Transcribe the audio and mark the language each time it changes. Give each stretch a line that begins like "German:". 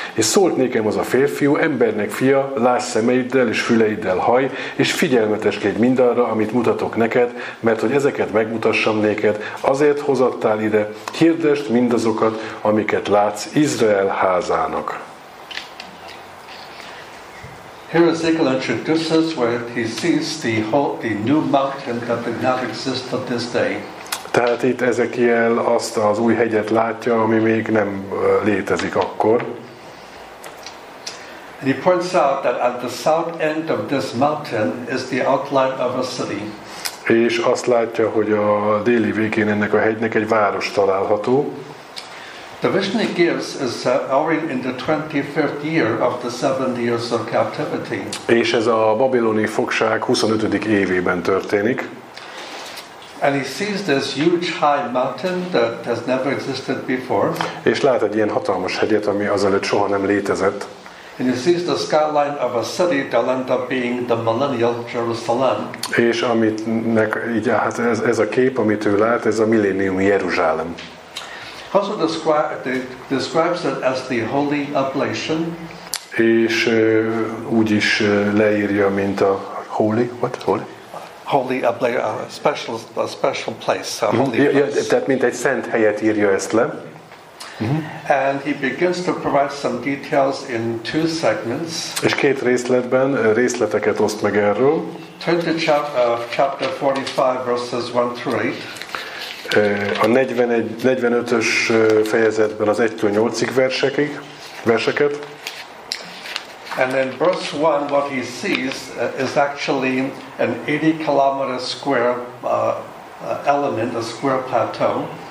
Hungarian: És szólt nékem az a férfiú, embernek fia, láss szemeiddel és füleiddel haj, és figyelmeteskedj mindarra, amit mutatok neked, mert hogy ezeket megmutassam néked, azért hozattál ide, hirdest mindazokat, amiket látsz Izrael házának.
English: Here Ezekiel introduces where he sees the new mountain that did not exist at this day.
Hungarian: Tehát itt Ezekiel azt az új hegyet látja, ami még nem létezik akkor.
English: And he points out that at the south end of this mountain is the outline of a city.
Hungarian: És azt látja, hogy a déli végén ennek a hegynek egy város található.
English: The vision he gives is already in the 25th year of the 70 years of captivity.
Hungarian: És ez a babiloni fogság 25. évében történik.
English: And he sees this huge high mountain that has never existed before.
Hungarian: És lát egy ilyen hatalmas hegyet, ami azelőtt soha nem létezett.
English: And he sees the skyline of a city that'll end up being the millennial Jerusalem.
Hungarian: És aminek így, hát ez a kép, amit ő lát, ez a milléniumi Jeruzsálem.
English: Also describes it as the holy oblation.
Hungarian: És úgy is leírja, mint a
English: holy, what? Holy? Holy oblation, a special place, a holy place.
Hungarian: Tehát mint egy szent helyet írja ezt le.
English: And he begins to provide some details in two segments.
Hungarian: És két részletben részleteket oszt meg erről.
English: Turn to chapter 45, verses 1 through 8.
Hungarian: A 45-ös fejezetben az 1-től 8-ig verseket.
English: And in verse 1 what he sees is actually an 80 kilometer square element, a square plateau.